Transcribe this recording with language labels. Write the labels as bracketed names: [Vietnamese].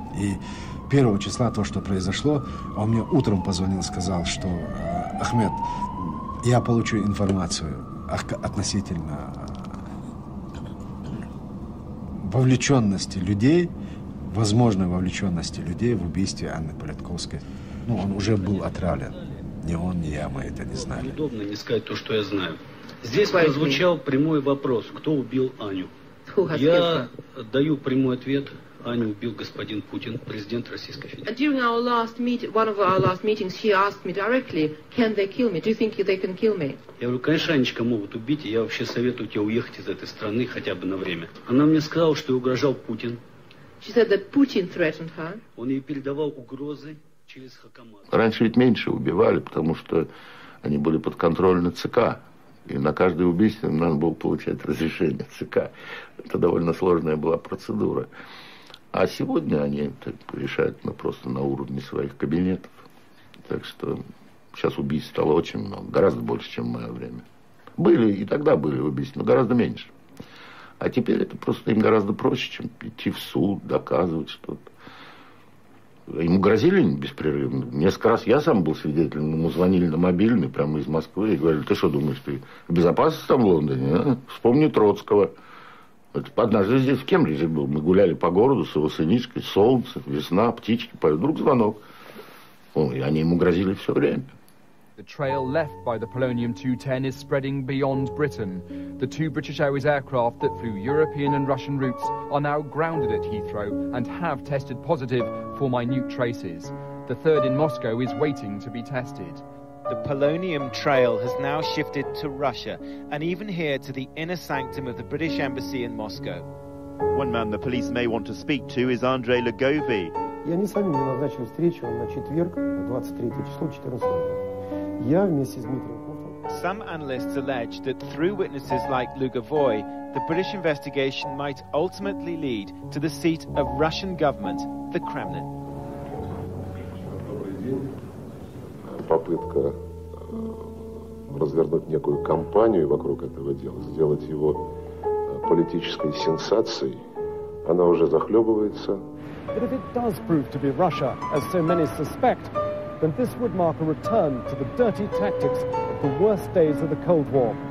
[Russian] И 1 числа то, что произошло, он мне утром позвонил, сказал, что: Ахмед, я получу информацию относительно вовлеченности людей, возможной вовлеченности людей в убийстве Анны Политковской. Ну, он уже был отравлен. Ни он, ни я, мы это не знали. Удобно не сказать то, что я знаю. Здесь прозвучал прямой вопрос: кто убил Аню? Я даю прямой ответ. Аню убил господин Путин, президент Российской Федерации. [English] During our last meeting, one of our last meetings, he asked me directly, can they kill me? Do you think they can kill me? [Russian] Я говорю: конечно, Анечка, могут убить, и я вообще советую тебе уехать из этой страны хотя бы на время. Она мне сказала, что ей угрожал Путин. [English] She said that Putin threatened her. [Russian] Он ей передавал угрозы через Хакамаду. Раньше ведь меньше убивали, потому что они были подконтрольны ЦК. И на каждое убийство надо было получать разрешение ЦК. Это довольно сложная была процедура. А сегодня они так решают, ну, просто на уровне своих кабинетов. Так что сейчас убийств стало очень много. Гораздо больше, чем в мое время. Были, и тогда были убийства, но гораздо меньше. А теперь это просто им гораздо проще, чем идти в суд, доказывать что-то. Ему грозили беспрерывно. Несколько раз я сам был свидетелем, ему звонили на мобильный прямо из Москвы и говорили: ты что думаешь, ты в безопасности там в Лондоне? А? Вспомни Троцкого. Вот однажды здесь в Кембридже был. Мы гуляли по городу с его сынишкой, солнце, весна, птички, поют, вдруг звонок. И они ему грозили все время. [English] The trail left by the Polonium 210 is spreading beyond Britain. The two British Airways aircraft that flew European and Russian routes are now grounded at Heathrow and have tested positive for minute traces. The third in Moscow is waiting to be tested. The Polonium trail has now shifted to Russia and even here to the inner sanctum of the British Embassy in Moscow. One man the police may want to speak to is Andrei Legovi. [Russian] Я не сами мне назначил встречу на четверг, 23 число, 14 года. [English] Some analysts allege that through witnesses like Lugovoy, the British investigation might ultimately lead to the seat of Russian government, the Kremlin. [Russian] Попытка развернуть некую кампанию вокруг этого дела, сделать его политической сенсацией, она уже захлебывается. [English] But if it does prove to be Russia, as so many suspect, then this would mark a return to the dirty tactics of the worst days of the Cold War.